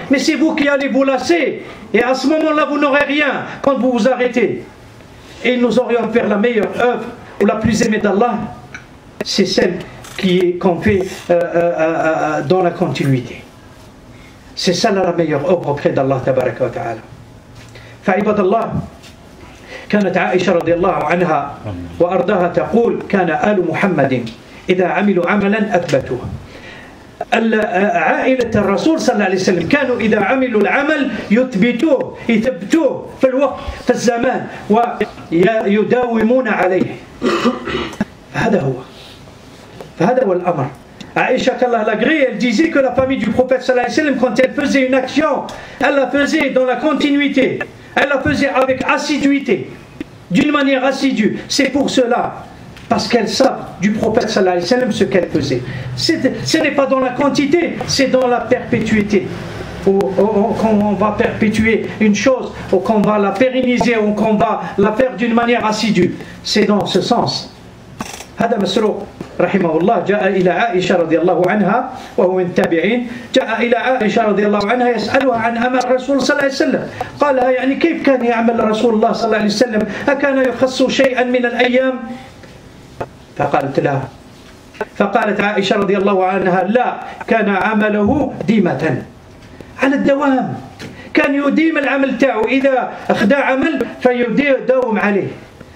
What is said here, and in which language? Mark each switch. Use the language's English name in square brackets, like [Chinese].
[French] Mais c'est vous qui allez vous lasser. Et à ce moment-là, vous n'aurez rien quand vous vous arrêtez. Et nous aurions à faire la meilleure œuvre ou la plus aimée d'Allah, c'est celle qui est qu'on fait dans la continuité. C'est celle-là la meilleure œuvre auprès d'Allah tabaraka wa ta'ala. [Arabic] فعباد الله كانت عائشة رضي الله عنها وأرضاها تقول كان آل محمد إذا عملوا عملا أثبتوه. عائلة الرسول صلى الله عليه وسلم كانوا إذا عملوا العمل يثبتوه، يثبتوه في الوقت في الزمان ويداومون عليه. فهذا هو، فهذا هو الأمر. [French] Aïcha Kallah Lagri, elle disait que la famille du prophète sallallahu alayhi wa sallam, quand elle faisait une action, elle la faisait dans la continuité, elle la faisait avec assiduité, d'une manière assidue. C'est pour cela, parce qu'elle savait du prophète sallallahu alayhi wa sallam ce qu'elle faisait. Ce n'est pas dans la quantité, c'est dans la perpétuité. Quand on va perpétuer une chose, ou qu'on va la pérenniser, ou qu'on va la faire d'une manière assidue, c'est dans ce sens. [Arabic] هذا مسروق رحمه الله جاء إلى عائشة رضي الله عنها وهو من التابعين، جاء إلى عائشة رضي الله عنها يسألها عن عمل الرسول صلى الله عليه وسلم، قالها يعني كيف كان يعمل رسول الله صلى الله عليه وسلم، أكان يخص شيئا من الأيام؟ فقالت لا، فقالت عائشة رضي الله عنها لا، كان عمله ديمة على الدوام، كان يديم العمل تاعه، إذا أخدى عمل فيداوم عليه.